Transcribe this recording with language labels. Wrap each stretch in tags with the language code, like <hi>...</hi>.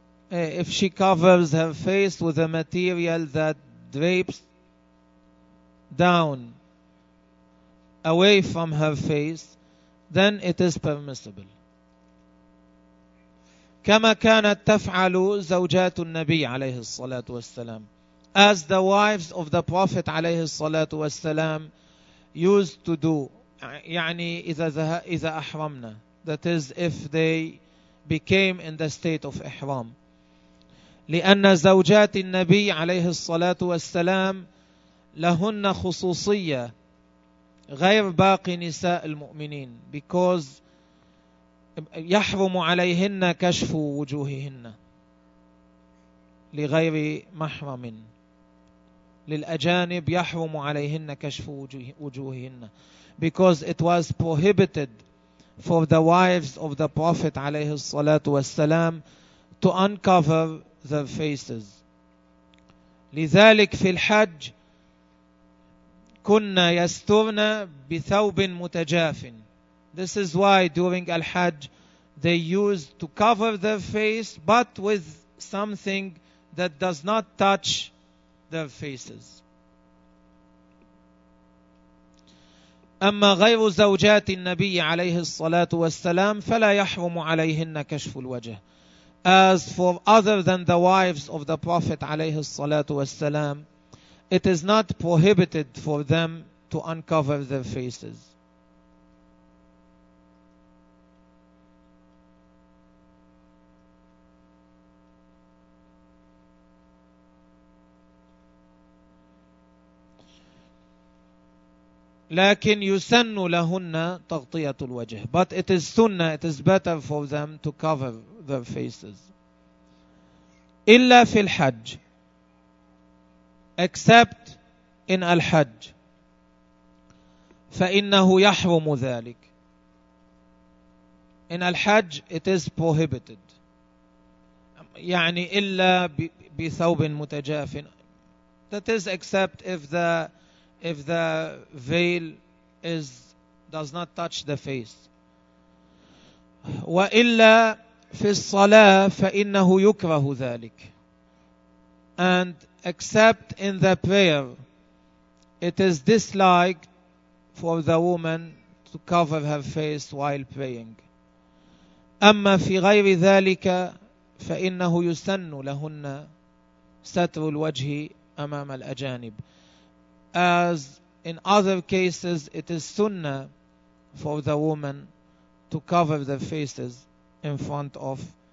<en>if she covers her face with a material that drapes down away from her face, then it is permissible.</en> <ar>كما كانت تفعل زوجات النبي عليه الصلاة والسلام.</ar> <en>As the wives of the Prophet عليه الصلاة والسلام used to do,</en> <ar>يعني إذا أحرمنا.</ar> <en>That is, if they became in the state of إحرام.</en> <ar>لأن زوجات النبي عليه الصلاة والسلام لهن خصوصية غير باقي نساء المؤمنين.</ar> <en>Because</en> <ar>يحرم عليهن كشف وجوههن لغير محرم. للأجانب يحرم عليهن كشف وجوههن.</ar> <en>Because it was prohibited for the wives of the Prophet عليه الصلاة والسلام to uncover their faces.</en> <ar>لذلك في الحج كنا يسترنا بثوب متجاف.</ar> <en>This is why during Al-Hajj they used to cover their face but with something that does not touch their faces.</en> <ar>أما غير زوجات النبي عليه الصلاة والسلام فلا يحرم عليهن كشف الوجه.</ar> <en>As for other than the wives of the Prophet عليه الصلاة والسلام, it is not prohibited for them to uncover their faces.</en> <ar>لكن يسن لهن تغطية الوجه.</ar> <en>But it is sunnah, it is better for them to cover their faces.</en> <ar>إلا في الحج.</ar> <en>Except in الحج.</en> <ar>فإنه يحرم ذلك.</ar> <en>In الحج it is prohibited.</en> <ar>يعني إلا بثوب متجاف.</ar> <en>That is except if the veil does not touch the face.</en> <ar>وإلا في الصلاة فإنه يكره ذلك.</ar> <en>And except in the prayer, it is disliked for the woman to cover her face while praying.</en> <ar>أما في غير ذلك فإنه يسن لهن ستر الوجه أمام الأجانب.</ar> <en>As in other cases, it is sunnah for the woman to cover the faces in front of</en>